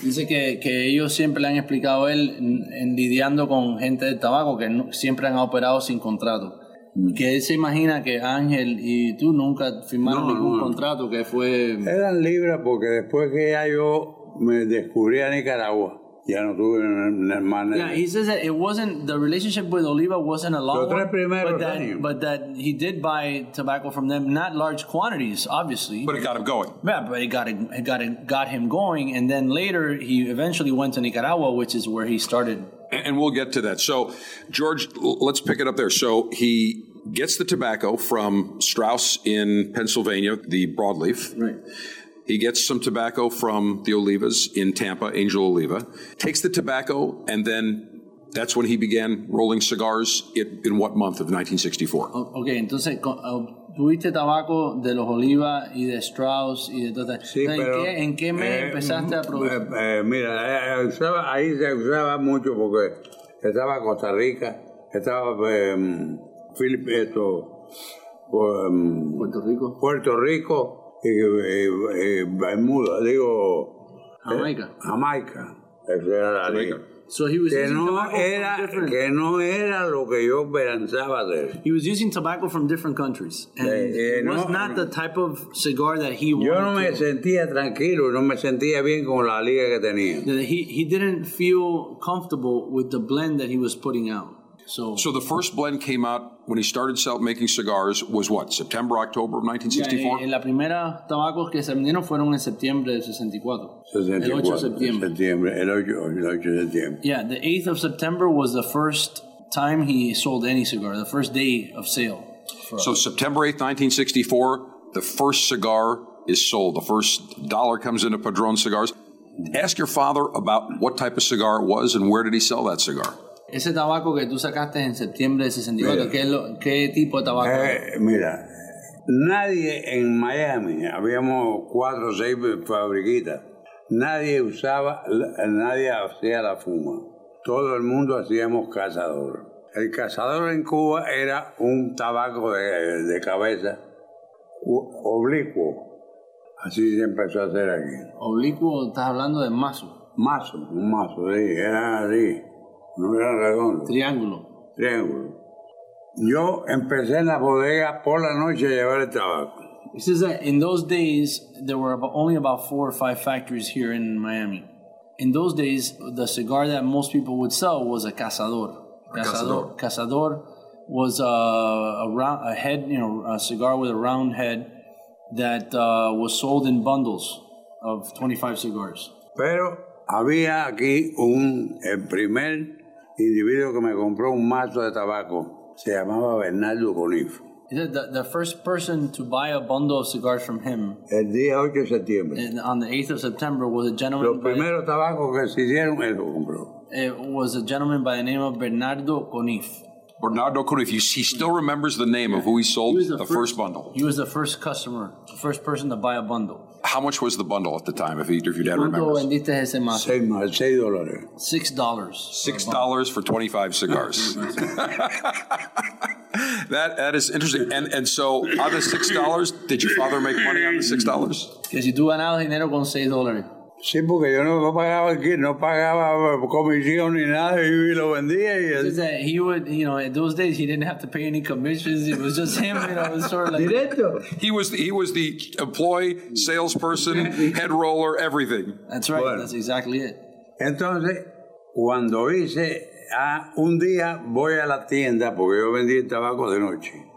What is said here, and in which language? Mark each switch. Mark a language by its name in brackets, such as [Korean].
[Spanish] Dice que ellos siempre le han explicado él en lidiando con gente de tabaco que siempre han operado sin contrato. Que él se imagina que Ángel y tú nunca firmaron ningún contrato, que fue... Eran libres porque después que ya yo me descubrí a Nicaragua, ya no tuve un hermano. [English] Yeah, he says that it wasn't, the relationship with Oliva wasn't a long one, but that he did buy tobacco from them, not large quantities, obviously. But it got him going. Yeah, but it got him going, and then later he eventually went to Nicaragua, which is where he started... And we'll get to that. So, George, let's pick it up there. So he gets the tobacco from Strauss in Pennsylvania, the broadleaf. Right. He gets some tobacco from the Olivas in Tampa, Angel Oliva. Takes the tobacco, and then that's when he began rolling cigars in what month of 1964? [Spanish] Okay, entonces... ¿Tuviste tabaco de los Oliva y de Strauss y de todo eso? Sí, pero... ¿En qué mes empezaste a producir? Mira, ahí se usaba mucho porque estaba Costa Rica, estaba Puerto Rico. Puerto Rico y Bermuda, Jamaica. Jamaica, esa era la liga. [English] So he was using [Spanish] que no era lo que yo pensaba hacer. [English] He was using tobacco from different countries. And it was not the type of cigar that he wanted. [Spanish] Yo no me sentía tranquilo, no me sentía bien con la liga que tenía. [English] He didn't feel comfortable with the blend that he was putting out. So the first blend came out when he started making cigars was what? September, October of 1964? [Spanish] Yeah, la primera tabacos que se vendieron fueron en septiembre de 64. El 8 de septiembre. [English] Yeah, the 8th of September was the first time he sold any cigar, the first day of sale. September 8th, 1964, the first cigar is sold. The first dollar comes into Padron Cigars. Ask your father about what type of cigar it was and where did he sell that cigar. [Spanish] Ese tabaco que tú sacaste en septiembre de 64, ¿qué tipo de tabaco? Mira, nadie en Miami, habíamos 4 o 6 fabriquitas, nadie hacía la fuma. todo el mundo hacíamos cazador. El cazador en Cuba era un tabaco de cabeza oblicuo. Así se empezó a hacer aquí. ¿Oblicuo? ¿Estás hablando de mazo? Mazo, un mazo, sí. Era así. No era redondo. ¿Triángulo? Triángulo. Yo empecé en la bodega por la noche a llevar el tabaco. [English] He says that in those days, there were only about four or five factories here in Miami. In those days, the cigar that most people would sell was a cazador. Cazador. Cazador was a head, you know, a cigar with a round head that was sold in bundles of 25 cigars. [Spanish] Pero había aquí el primer individuo que me compró un mazo de tabaco. Se llamaba Bernardo Conif. [English] He said the first person to buy a bundle of cigars from him [Spanish] el día 8 de septiembre. [English] On the 8th of September was a gentleman. [Spanish] Los primeros tabacos que se hicieron, él lo compró. [English] It was a gentleman by the name of Bernardo Conif. Bernardo Conif, he still remembers the name of who he sold the first bundle. He was the first customer, the first person to buy a bundle. How much was the bundle at the time, if your dad remembers? $6. $6 for 25 cigars. That is interesting. And so, out of the $6, did your father make money on the $6? [Spanish] Que si tú ganabas dinero con $6. Sí, porque yo no pagaba aquí, no pagaba comisión ni nada, y lo vendía. Y [English] es that he would, you know, in those days he didn't have to pay any commissions. It was just him, you know, sort of like. [Spanish] Directo. [English] He was the employee, salesperson, head roller, everything. That's right. Bueno, that's exactly it. [Spanish] Entonces, cuando hice, un día voy a la tienda porque yo vendí el tabaco de noche.